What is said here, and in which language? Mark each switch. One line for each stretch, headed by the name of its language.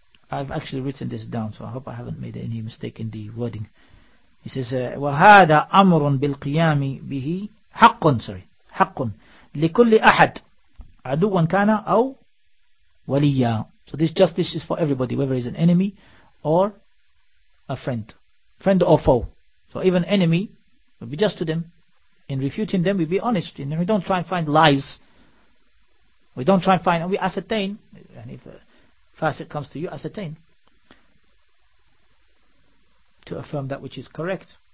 English: I've actually written this down, so I hope I haven't made any mistake in the wording. He says,
Arabic: وَهَذَا أَمْرٌ بِالْقِيَامِ بِهِ حَقٌّ,
English: sorry,
Arabic: حَقٌّ لِكُلِّ أَحَدٍ عَدُوًا كَانَ أَوْ وَلِيًّا.
English: So this justice is for everybody, whether he's an enemy or a friend. Friend or foe. So even enemy, will be just to them. In refuting them, we be honest. And we don't try and find lies. We don't try and find, and we ascertain, and if Fasiq comes to you, ascertain to affirm that which is correct.